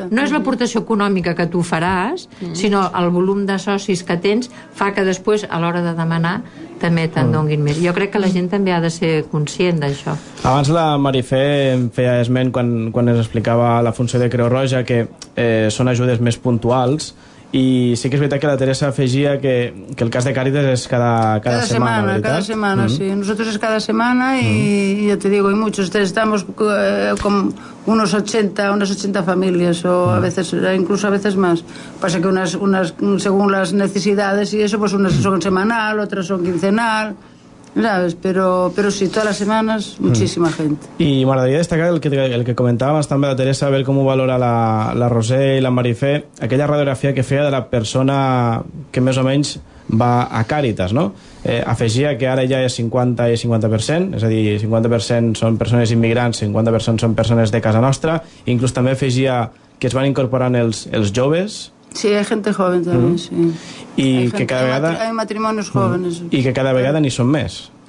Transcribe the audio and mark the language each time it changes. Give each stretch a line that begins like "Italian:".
Catalan: No és l'aportació econòmica que tu faràs, sinó el volum de socis que tens fa que després, a l'hora de demanar, també te'n donguin més. Jo crec que la gent també ha de ser conscient d'això. Abans la Marifé em feia esment quan ens explicava la funció de Creu Roja, que són ajudes més puntuals, i sí que és veritat que la Teresa afegia que el cas de Càritas és cada setmana, cada setmana, sí.
Spanish: Nosotros es cada semana y ya te digo, hay muchos, estamos con unas 80 familias o a veces incluso a veces más. Pasa que unas según las necesidades y eso, pues unas son semanal, otras son quincenal. ¿Sabes? Pero sí, todas las semanas muchísima gente.
Catalan: I m'agradaria destacar el que comentàvem també de Teresa, a veure com ho valora la Roser i la Marifé, aquella radiografia que feia de la persona que més o menys va a Càritas, no? Afegia que ara ja és 50% i 50%, és a dir, 50% són persones immigrants, 50% són persones de casa nostra, i inclús també afegia que es van incorporant els joves.
Spanish: Sí, hay gente joven también, sí. Y que
Catalan: cada vegada...
Spanish: Hay matrimonios jóvenes. Y que
Catalan: cada vegada
Spanish: ni son más.